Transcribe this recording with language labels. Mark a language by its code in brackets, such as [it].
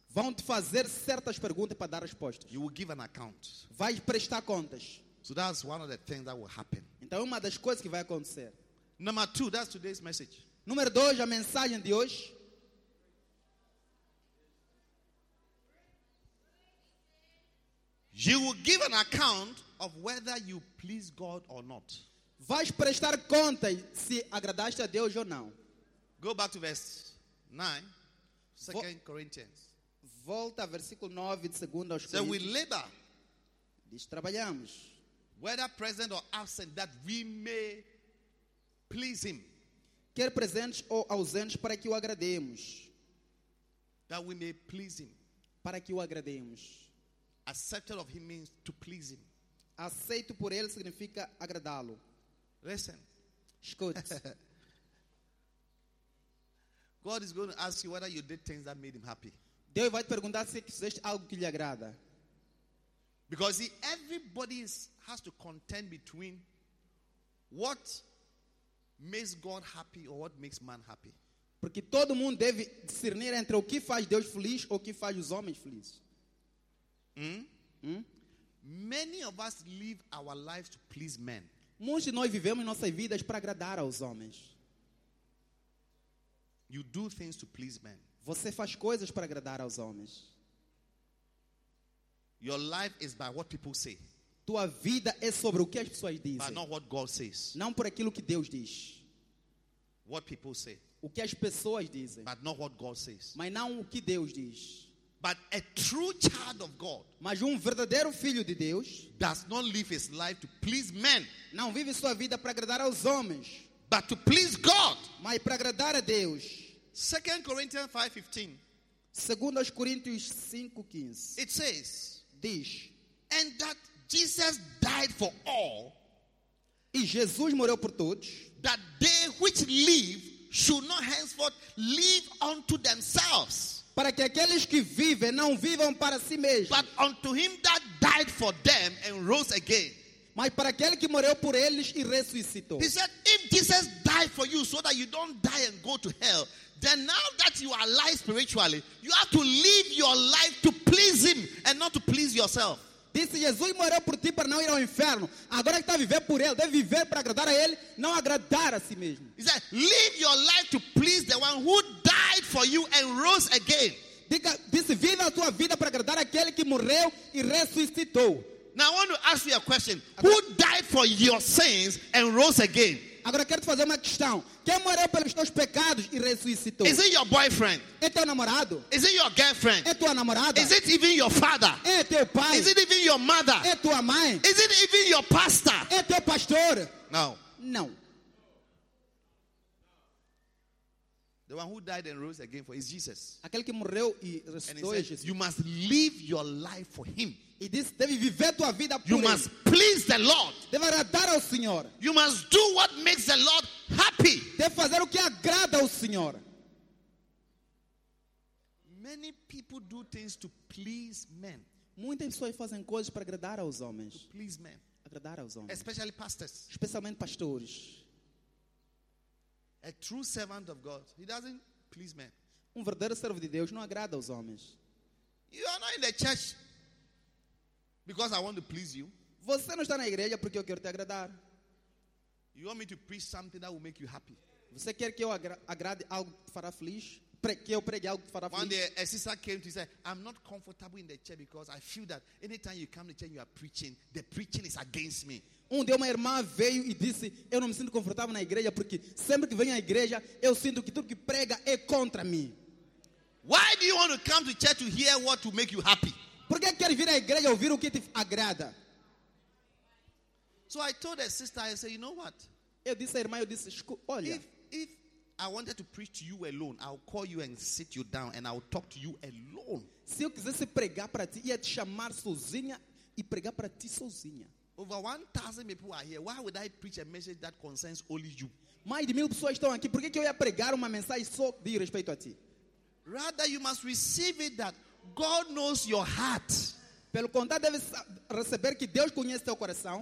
[pt] Vão te fazer certas perguntas para dar respostas. [en] You will give an account. [pt] Vai prestar contas. [en] So that's one of the things that will happen. [pt] Então uma das coisas que vai acontecer. [en] Number two, that's today's message. [pt] Número dois, a mensagem de hoje. [en] You will give an account of whether you please God or not. [pt] Vais prestar conta se agradaste a Deus ou não. [en] Go back to verse 9, 2 Corinthians. [pt] Volta a versículo 9 de 2 aos [en] Coríntios. So we labor. [pt] Diz, trabalhamos. [en] Whether present or absent, that we may please him. [pt] Quer presentes ou ausentes, para que o agrademos. [en] That we may please him. [pt] Para que o agrademos. [en] Accepted of him means to please him. [pt] Aceito por ele significa agradá-lo. [en] Listen. [pt] Escute. [en] God is going to ask you whether you did things that made him happy. [pt] Deus vai te perguntar se fizeste algo que lhe agrada. [en] Because everybody has to contend between what makes God happy or what makes man happy. [pt] Porque todo mundo deve discernir entre o que faz Deus feliz ou o que faz os homens felizes. [en] Many of us live our lives to please men. [pt] Muitos de nós vivemos nossas vidas para agradar aos homens. [en] You do things to please men. [pt] Você faz coisas para agradar aos homens. [en] Your life is by what people say. [pt] Tua vida é sobre o que as pessoas dizem. [en] But not what God says. [pt] Não por aquilo que Deus diz. [en] What people say. [pt] O que as pessoas dizem. [en] But not what God says. [pt] Mas não o que Deus diz. [en] But a true child of God. [pt] Mas verdadeiro filho de Deus. [en] Does not live his life to please men. [pt] Não vive sua vida para agradar aos homens. [en] But to please God. [pt] Mas para agradar a Deus. [en] 2 Corinthians 5:15. [pt] 2 Coríntios 5:15. [en] It says. [pt] Diz, [en] and that Jesus died for all. [pt] E Jesus morreu por todos. [en] That they which live should not henceforth live unto themselves. [pt] Para que aqueles que vivem não vivam para si mesmos. [en] But unto him that died for them and rose again. [pt] Mas para aquele que morreu por eles e ressuscitou. [en] He said, if Jesus died for you so that you don't die and go to hell, then now that you are alive spiritually, you have to live your life to please him and not to please yourself. [pt] Disse, Jesus morreu por ti para não ir ao inferno. Agora que está a viver por ele, deve viver para agradar a ele, não agradar a si mesmo. [en] He said, live your life to please the one who died for you and rose again. [pt] Disse, viva a tua vida para agradar aquele que morreu e ressuscitou. [en] Now I want to ask you a question. Who died for your sins and rose again? [pt] Agora quero te fazer uma questão. Quem morreu pelos teus pecados e ressuscitou? [en] Is it your boyfriend? [pt] É teu namorado? [en] Is it your girlfriend? [pt] É tua namorada? [en] Is it even your father? [pt] É teu pai? [en] Is it even your mother? [pt] É tua mãe? [en] Is it even your pastor? [pt] É teu pastor? [en] No. [pt] Não. [en] The one who died and rose again for is Jesus. [pt] Aquele que morreu e ressuscitou é Jesus. [en] You must live your life for him. [pt] E disse, deve viver tua vida por [en] you [pt] ele. [en] Must please the Lord. [pt] Deve agradar ao Senhor. [en] You must do what makes the Lord happy. [pt] Deve fazer o que agrada ao Senhor. [en] Many people do things to please men. [pt] Muitas pessoas fazem coisas para agradar aos homens. [en] To please men. [pt] Agradar aos homens. [en] Especially pastors. [pt] Especialmente pastores. [en] A true servant of God, he doesn't please men. [pt] Um verdadeiro servo de Deus não agrada aos homens. [en] You are not in the church because I want to please you. [pt] Você não está na igreja porque eu quero te agradar. [en] You want me to preach something that will make you happy. [pt] Você quer que eu agrade algo que fará feliz? Que eu pregue algo que fará feliz? [en] One day, a sister came to say, I'm not comfortable in the church because I feel that anytime you come to church, you are preaching. The preaching is against me. [pt] Um dia uma irmã veio e disse, eu não me sinto confortável na igreja porque sempre que venho à igreja, eu sinto que tudo que prega é contra mim. [en] Why do you want to come to church to hear what will make you happy? [pt] Por que quer vir à igreja ouvir o que te agrada? [en] So I told a sister, I said, you know what? [pt] Eu disse à irmã, eu disse, olha. [en] If I wanted to preach to you alone, I'll call you and sit you down and I'll talk to you alone. [pt] Se eu quisesse pregar para ti, ia te chamar sozinha e pregar para ti sozinha. [en] Over 1,000 people are here. Why would I preach a message that concerns only you? [pt] Mais de 1,000 pessoas estão aqui. Por que eu ia pregar uma mensagem só de respeito a ti? [en] Rather, you must receive it that God knows your heart. [pt] Pelo contrário, deve receber que Deus conhece teu coração.